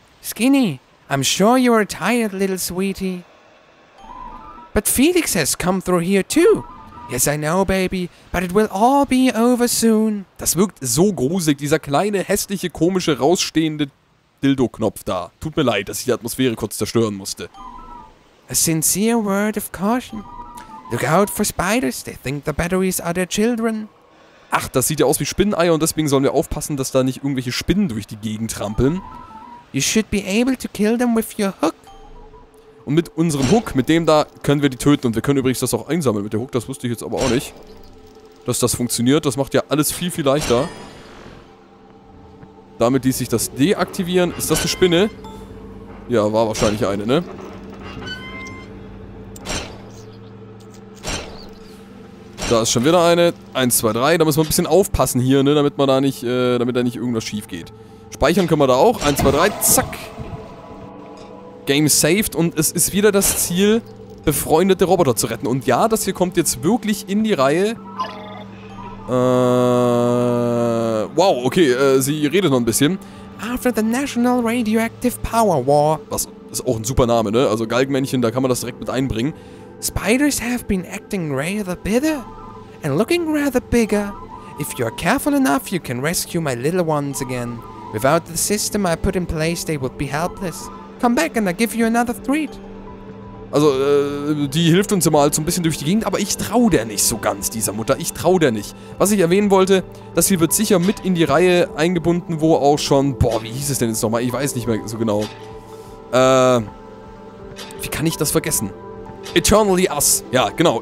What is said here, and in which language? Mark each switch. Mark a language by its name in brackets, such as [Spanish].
[English] Skinny, I'm sure you are tired, little sweetie. But Felix has come through here too. Yes, I know, baby, but it will all be over soon. [German] Das wirkt so gruselig, dieser kleine, hässliche, komische, rausstehende Dildo-Knopf da. Tut mir leid, dass ich die Atmosphäre kurz zerstören musste. [English] A sincere word of caution. Look out for spiders, they think the batteries are their children. [German] Ach, das sieht ja aus wie Spinneneier und deswegen sollen wir aufpassen, dass da nicht irgendwelche Spinnen durch die Gegend trampeln. [English] You should be able to kill them with your hook. [German] Und mit unserem Hook, mit dem da, können wir die töten. Und wir können übrigens das auch einsammeln mit dem Hook. Das wusste ich jetzt aber auch nicht, dass das funktioniert. Das macht ja alles viel, viel leichter. Damit ließ sich das deaktivieren. Ist das eine Spinne? Ja, war wahrscheinlich eine, ne? Da ist schon wieder eine. 1, 2, 3. Da müssen wir ein bisschen aufpassen hier, ne? Damit man da nicht, damit da nicht irgendwas schief geht. Speichern können wir da auch. 1, 2, 3. Zack. [English] Game saved. [German] Und es ist wieder das Ziel, befreundete Roboter zu retten. Und ja, das hier kommt jetzt wirklich in die Reihe. Wow, okay. Sie redet noch ein bisschen. [English] After the National Radioactive Power War. [German] Was ist auch ein super Name, ne? Also Galgenmännchen, da kann man das direkt mit einbringen. [English] Spiders have been acting rather bitter and looking rather bigger. If you are careful enough, you can rescue my little ones again. Without the system I put in place, they would be helpless. Come back and I give you another treat. [German] Also, die hilft uns immer halt so ein bisschen durch die Gegend, aber ich trau der nicht so ganz, dieser Mutter. Ich trau der nicht. Was ich erwähnen wollte, das hier wird sicher mit in die Reihe eingebunden, wo auch schon... Boah, wie hieß es denn jetzt nochmal? Ich weiß nicht mehr so genau. Wie kann ich das vergessen? Eternally Us. Ja, genau.